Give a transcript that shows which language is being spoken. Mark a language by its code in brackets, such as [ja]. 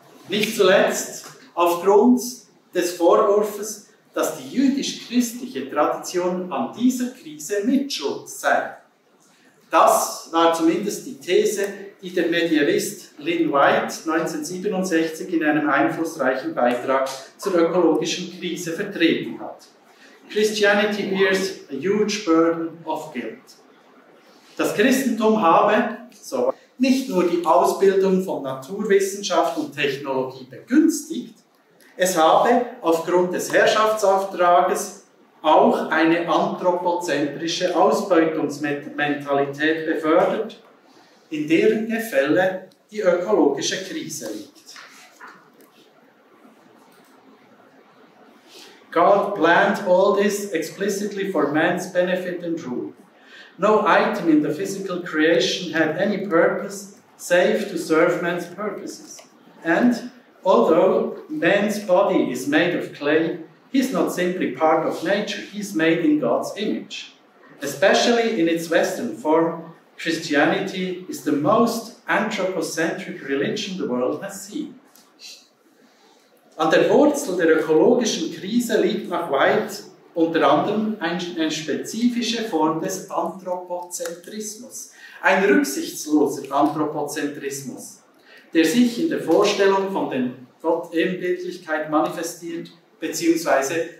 [de] Nicht zuletzt aufgrund des Vorwurfs, dass die jüdisch-christliche Tradition an dieser Krise mitschuld sei. Das war zumindest die These, die der Medievist Lynn White 1967 in einem einflussreichen Beitrag zur ökologischen Krise vertreten hat. [en] Christianity bears a huge burden of guilt. [de] Das Christentum habe, so nicht nur die Ausbildung von Naturwissenschaft und Technologie begünstigt, es habe aufgrund des Herrschaftsauftrages auch eine anthropozentrische Ausbeutungsmentalität befördert, in deren Gefälle die ökologische Krise liegt. [en] God planned all this explicitly for man's benefit and rule. No item in the physical creation had any purpose save to serve man's purposes. And although man's body is made of clay, He's not simply part of nature, he's made in God's image. Especially in its Western form, Christianity is the most anthropocentric religion the world has seen. [de] An der Wurzel der ökologischen Krise liegt nach White unter anderem eine spezifische Form des Anthropozentrismus, ein rücksichtsloser Anthropozentrismus, der sich in der Vorstellung von der Gottebenbildlichkeit manifestiert bzw.